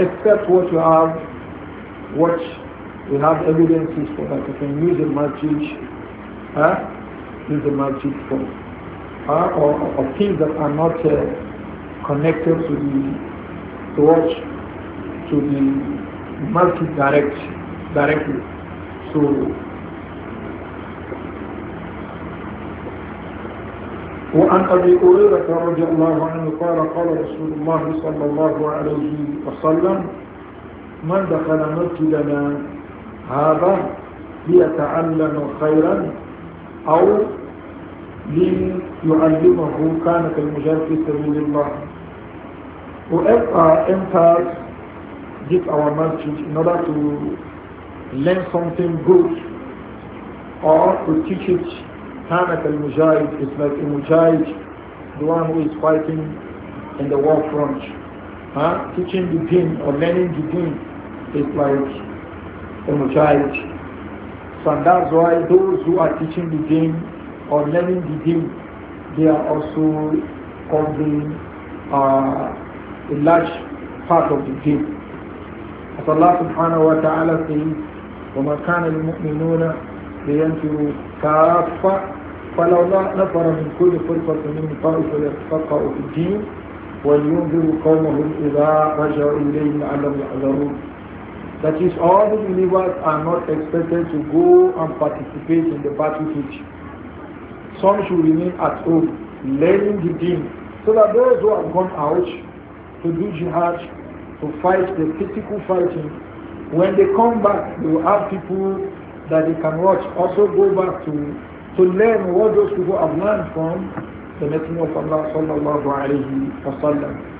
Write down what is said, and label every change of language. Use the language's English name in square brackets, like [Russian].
[English] Except what you have, what we have evidences for that. You can use the masjid, use the masjid for, or things that are not connected to the watch, to the masjid directly. [Arabic] So, وعن أبي هريرة رضي الله عنه قال قال رسول الله صلى الله عليه وسلم من دخل مسجدنا هذا ليتعلم خيرا أو ليعلمه كان في المجال في سبيل الله. [English] Whoever enters this our masjid in order to learn something good or to teach it, [Arabic] Hanak al-Mujahid [English] is like a Mujahid, the one who is fighting in the war front. Teaching the deen or learning the deen is like a Mujahid. So that's why those who are teaching the deen or learning the deen, they are also holding a large part of the deen. As Allah subhanahu wa ta'ala says, [Arabic] وَمَا كَانَ الْمُؤْمِنُونَ لِيَنْفِرُوا كَافَّةً فَلَوْلَا نَفَرَ مِنْ كُلِّ فِرْقَةٍ مِنْ طَائِفَةٍ لِيَتَفَقَّهُوا فِي الدِّينِ وَلِيُنْذِرُوا قَوْمَهُمْ إِذَا رَجَعُوا إِلَيْهِمْ لَعَلَّهُمْ يَحْذَرُونَ. [English] That is, all the believers are not expected to go and participate in the battlefield. Some should remain at home, learning the deen, so that those who have gone out to do jihad, to fight the physical fighting, when they come back, they will have people that they can watch, also go back to learn what those people have learned from the Messenger of Allah sallallahu alayhi wa sallam.